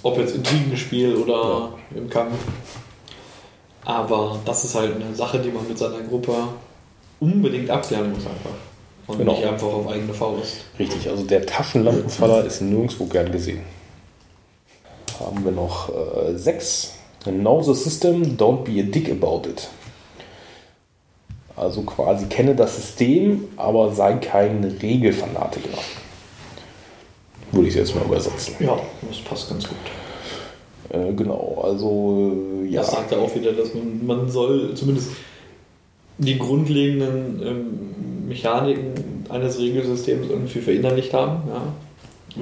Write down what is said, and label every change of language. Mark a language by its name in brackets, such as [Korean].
[German] Ob jetzt Intrigenspiel oder ja, im Kampf. Aber das ist halt eine Sache, die man mit seiner Gruppe unbedingt abklären muss, einfach. Und genau, nicht einfach auf eigene Faust. Richtig, also der Taschenlampenfaller ist nirgendwo gern gesehen. haben wir noch 6. [English] Know the system, don't be a dick about it. [German] Also quasi kenne das System, aber sei kein Regelfanatiker. Würde ich es jetzt mal übersetzen. Ja, das passt ganz gut. Genau, also ja. Das sagt ja auch wieder, dass man soll zumindest die grundlegenden Mechaniken eines Regelsystems irgendwie verinnerlicht haben. Ja.